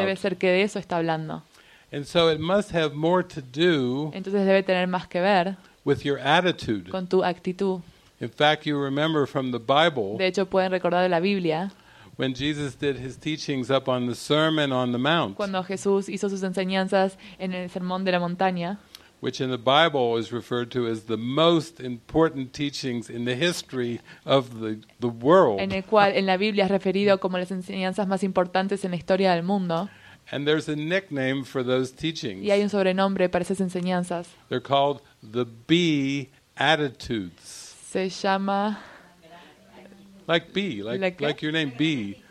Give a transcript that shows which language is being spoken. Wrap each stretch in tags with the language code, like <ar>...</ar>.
<es>Debe ser que de eso está hablando.</es> <en>And so it must have more to do.</en> <es>Entonces debe tener más que ver.</es> <en>With your attitude.</en> <es>Con tu actitud.</es> <en>In fact, you remember from the Bible.</en> <es>De hecho, pueden recordar de la Biblia.</es> <en>When Jesus did his teachings up on the Sermon on the Mount.</en> <es>Cuando Jesús hizo sus enseñanzas en el Sermón de la Montaña.</es> <en>Which in the Bible is referred to as the most important teachings in the history of the world.</en> <es>En el cual en la Biblia es referido como las enseñanzas más importantes en la historia del mundo.</es> <en>And there's a nickname for those teachings.</en> <es>Y hay un sobrenombre para esas enseñanzas.</es> <en>They're called the Beatitudes.</en> <es>Se llama</es> <en>like B, like your name B.</en>